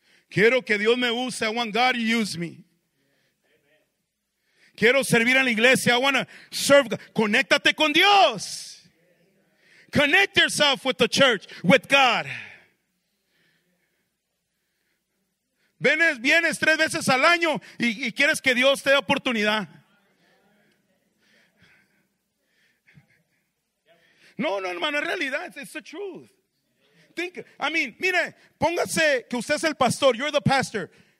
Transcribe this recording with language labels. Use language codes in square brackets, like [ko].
[es] Quiero que Dios me use. [en] I want God to use me. [es] Quiero servir en la iglesia. [en] I want to serve God. [es] Conéctate con Dios. [en] Connect yourself with the church, with God. [es] Vienes tres veces al año y quieres que Dios te dé oportunidad. No, hermano, es realidad. [en] It's the truth. [es] Mire, póngase que usted es el pastor. [en] You're the pastor.